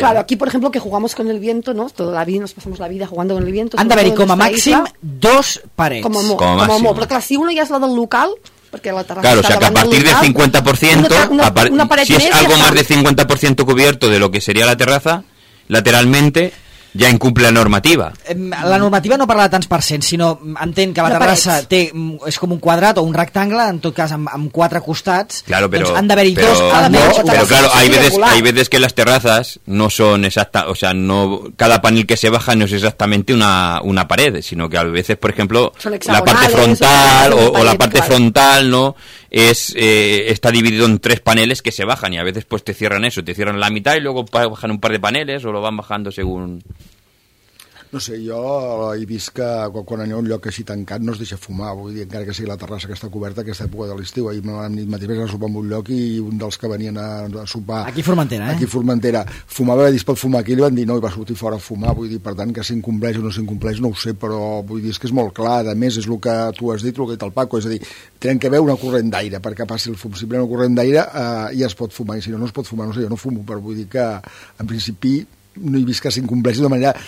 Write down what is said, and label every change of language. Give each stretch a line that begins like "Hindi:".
Spanish: Claro, aquí por ejemplo que jugamos con el viento, ¿no? Toda la vida nos pasamos la vida jugando con el viento. Anda, a ver, y como máximo dos paredes. Como máximo. Pero claro, si uno ya es la del local, porque la terraza, claro, o sea, que a partir del 50%, si es algo más de 50% cubierto de lo que sería la terraza, lateralmente ya incumple la normativa.
Catalan: La normativa no parla de tants percents, sinó entén que la terrassa té, és com un quadrat o un rectangle, en tot cas amb quatre costats.
Spanish: Claro, pero,
Catalan: doncs han d'haver-hi dos.
Spanish: Però claro, hay veces que las terrazas no son exactas, o sea, no, cada panel que se baja no es exactamente una pared, sino que a veces, por ejemplo, la parte frontal frontal, ¿no?, está dividido en tres paneles que se bajan y a veces pues te cierran eso, te cierran la mitad y luego bajan un par de paneles o lo van bajando según.
Catalan: No sé, jo he vist que quan aneu a un lloc així tancat no es deixa fumar, vull dir, encara que sigui la terrassa que està coberta aquesta època de l'estiu. Ahir m'han dit mateix a sopar en un lloc i un dels que venien a sopar... Aquí Formentera, Aquí Formentera. Fumava, es pot fumar aquí, i li van dir no, i va sortir fora a fumar, vull dir, per tant, que s'incompleix o no s'incompleix, no ho sé, però vull dir, és que és molt clar, a més, és el que tu has dit, el que ha dit el Paco, és a dir, tenen que haver una corrent d'aire perquè passi el fum. Si prenen un corrent d'aire ja es pot fumar, i si no, no es pot fumar, no sé, jo no fumo, però vull dir que, en principi, no he vist que s'incompleixi de manera...